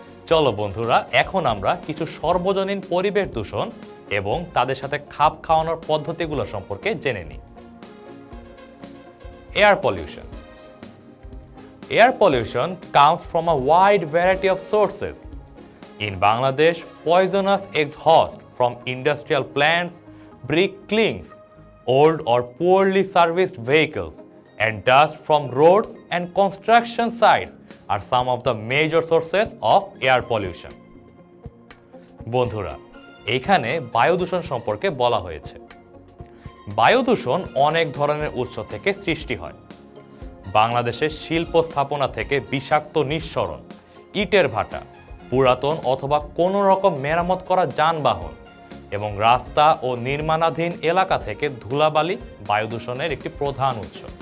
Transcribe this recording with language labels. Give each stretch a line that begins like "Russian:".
Bangla: চলো বন্ধুরা, এখন আমরা কিছু সর্বজনীন পরিবেশ দূষণ এবং তাদের সাথে খাপ খাওয়ানোর পদ্ধতিগুলো সম্পর্কে জেনে নিই।
English: Air pollution. Air pollution comes from a wide variety of sources. In Bangladesh poisonous exhaust from industrial plants, brick kilns, old or poorly serviced vehicles and dust from roads and construction sites are some of the major sources of air pollution.
Bangla: বন্ধুরা, এখানে বায়ু দূষণ সম্পর্কে বলা হয়েছে। বায়ু দূষণ অনেক ধরনের উৎস থেকে সৃষ্টি হয়। বাংলাদেশের শিল্প স্থাপনা থেকে বিষাক্ত নিঃসরণ, ইটের ভাটা, পুরাতন অথবা কোনো রকম মেরামত করা যানবাহন এবং রাস্তা ও নির্মাণাধীন এলাকা থেকে ধুলাবালি বায়ু দূষণের একটি প্রধান উৎস।